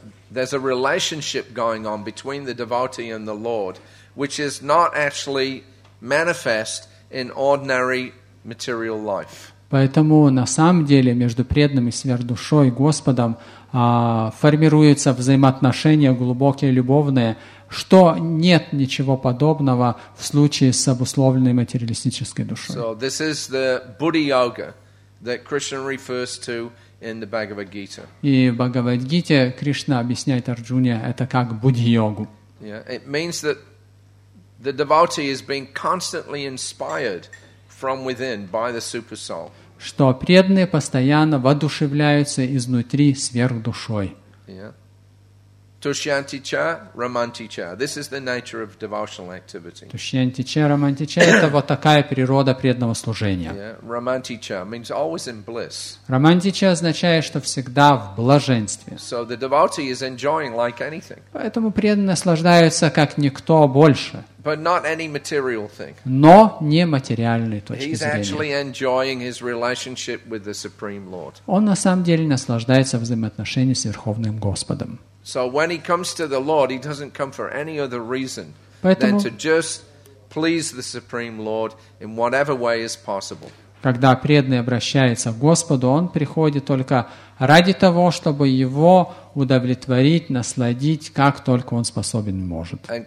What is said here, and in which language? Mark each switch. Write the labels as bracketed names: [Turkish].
[English] There's a relationship going on between the devotee and the Lord, which is not actually manifest in ordinary material life. [Russian] Поэтому на самом деле между преданным и сверхдушой Господом формируются взаимоотношения глубокие, любовные, что нет ничего подобного в случае с обусловленной материалистической душой. [English] So this is the Buddha Yoga that Krishna refers to in the Bhagavad Gita. [Russian] И в Бхагавад-гите Кришна объясняет Арджуне это как Будхи-йогу. [English] Yeah, it means that the devotee is being constantly inspired from within by the super soul. [Russian] Что преданные постоянно воодушевляются изнутри сверхдушой. [Sanskrit] Тушьянти ча, романти ча. [English] This is the nature of devotional activity. [Sanskrit] Тушьянти ча, романти ча. [Russian] Это вот такая природа преданного служения. [English] Романти ча means always in bliss. [Russian] Романти ча означает, что всегда в блаженстве. [English] So the devotee is enjoying like anything. [Russian] Поэтому преданные наслаждаются как никто больше. [English] But not any material thing. [Russian] Но не материальной точки зрения. [English] He's actually enjoying his relationship with the Supreme Lord. [Russian] Он на самом деле наслаждается взаимоотношениями с Верховным Господом. [English] So when he comes to the Lord, he doesn't come for any other reason than to just please the Supreme Lord in whatever way is possible. [Russian] Когда преданный обращается к Господу, он приходит только ради того, чтобы его удовлетворить, насладить, как только он способен и может.